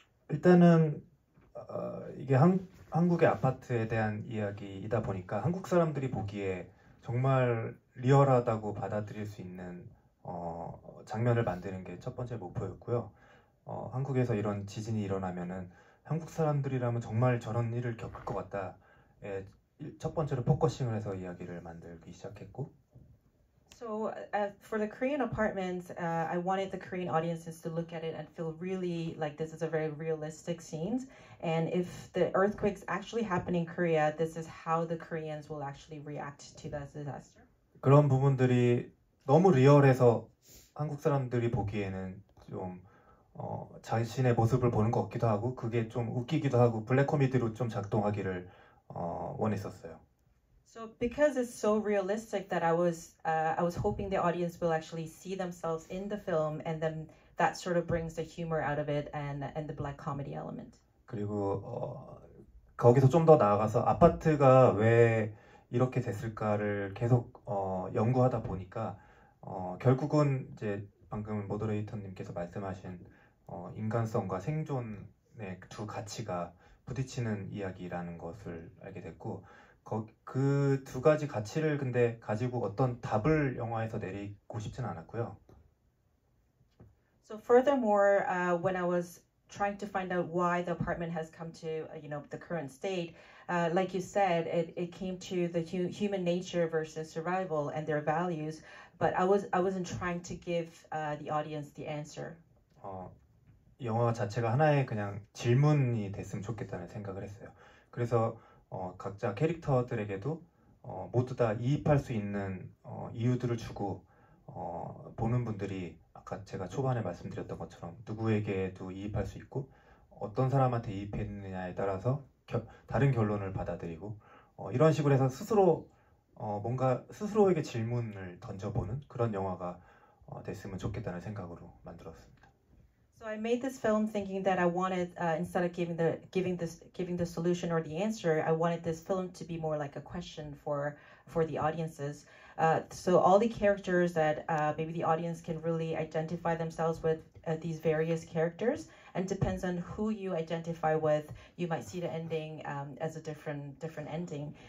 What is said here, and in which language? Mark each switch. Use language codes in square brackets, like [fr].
[ko] 일단은 이게 한국의 아파트에 대한 이야기이다 보니까 한국 사람들이 보기에 정말 리얼하다고 받아들일 수 있는 장면을 만드는 게첫 번째 목표였고요. 한국에서 이런 지진이 일어나면은 한국 사람들이라면 정말 저런 일을 겪을 것 같다에 첫 번째로 포커싱을 해서 이야기를 만들기 시작했고. [en] So for the Korean apartments, I wanted the Korean audiences to look at it and feel really like this is a very realistic scenes. And if the earthquakes actually happen in Korea, this is how the Koreans will actually react to the disaster. [ko] 그런 부분들이 너무 리얼해서 한국 사람들이 보기에는 좀 자신의 모습을 보는 것 같기도 하고 그게 좀 웃기기도 하고 블랙코미디로 좀 작동하기를 원했었어요. [en] So because it's so realistic that I was hoping the audience will actually see themselves in the film, and then that sort of brings the humor out of it and the black comedy element. [ko] 그리고 거기서 좀더 나아가서 아파트가 왜 이렇게 됐을까를 계속 연구하다 보니까 결국은 이제 방금 모더레이터님께서 말씀하신 인간성과 생존의 두 가치가 부딪히는 이야기라는 것을 알게 됐고 그두 가지 가치를 근데 가지고 어떤 답을 영화에서 내리고 싶진 않았고요. [en] So furthermore, when I was trying to find out why the apartment has come to, the current state, like you said, it came to the human nature versus survival and their values. But I wasn't trying to give the audience the answer. [ko] 영화 자체가 하나의 그냥 질문이 됐으면 좋겠다는 생각을 했어요. 그래서 각자 캐릭터들에게도 모두 다 이입할 수 있는 이유들을 주고 보는 분들이 아까 제가 초반에 말씀드렸던 것처럼 누구에게도 이입할 수 있고 어떤 사람한테 이입했느냐에 따라서 다른 결론을 받아들이고 이런 식으로 해서 스스로 뭔가 스스로에게 질문을 던져보는 그런 영화가 됐으면 좋겠다는 생각으로 만들었습니다. [en] So I made this film thinking that I wanted, instead of giving the solution or the answer, I wanted this film to be more like a question for the audiences. So all the characters that maybe the audience can really identify themselves with these various characters, and depends on who you identify with, you might see the ending as a different ending.